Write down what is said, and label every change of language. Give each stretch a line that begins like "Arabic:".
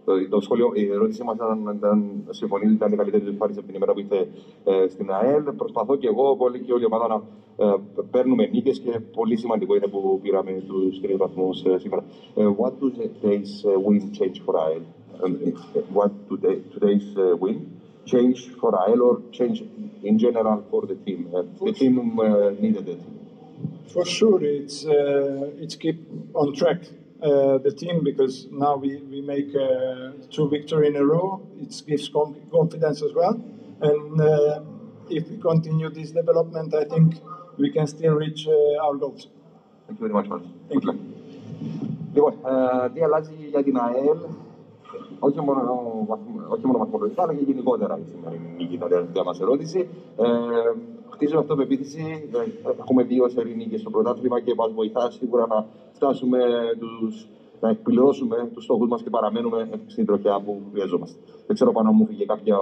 Greek: Το σχόλιο, η ερώτησή μας ήταν αν συμφωνείτε ότι ήταν η καλύτερη εμφάνιση από την ημέρα που είστε στην ΑΕΛ. Προσπαθώ και εγώ, πολύ και όλη η ομάδα, να παίρνουμε νίκες και πολύ σημαντικό είναι που πήραμε τους 3 βαθμούς σήμερα.
English: What do today's win change for ΑΕΛ? What do today's win change for ΑΕΛ or change in general for the team? The team needed it. For sure, it's keep on track. The team, because now we make two victory in a row, it gives confidence as well. And if we continue this development, I think we can still reach our goals. Thank you very much, Mark. Thank you.
Greek: Λοιπόν, τι αλλάζει για την ΑΕΛ, όχι μόνο μαθημολογικά, αλλά και γενικότερα η σημερινή νίκη, ήταν μια μας ερώτηση. Χτίζουμε αυτοπεποίθηση, έχουμε δύο σερή νίκες στο πρωτάθλημα και μας βοηθά σίγουρα να φτάσουμε να εκπληρώσουμε τους στόχους μας και παραμένουμε στην τροχιά που χρειαζόμαστε. Δεν ξέρω αν μου φύγε κάποια.